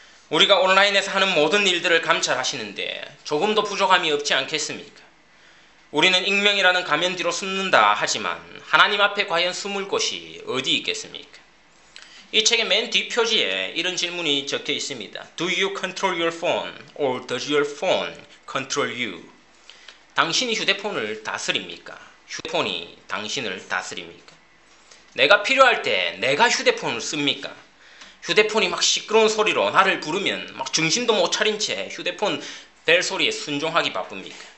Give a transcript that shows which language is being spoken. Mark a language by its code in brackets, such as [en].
[ko] 우리가 온라인에서 하는 모든 일들을 감찰하시는데 조금도 부족함이 없지 않겠습니까? 우리는 익명이라는 가면 뒤로 숨는다 하지만 하나님 앞에 과연 숨을 곳이 어디 있겠습니까? 이 책의 맨 뒷표지에 이런 질문이 적혀 있습니다. [en] Do you control your phone or does your phone control you? [ko] 당신이 휴대폰을 다스립니까? 휴대폰이 당신을 다스립니까? 내가 필요할 때 내가 휴대폰을 씁니까? 휴대폰이 막 시끄러운 소리로 나를 부르면 막 정신도 못 차린 채 휴대폰 벨 소리에 순종하기 바쁩니까?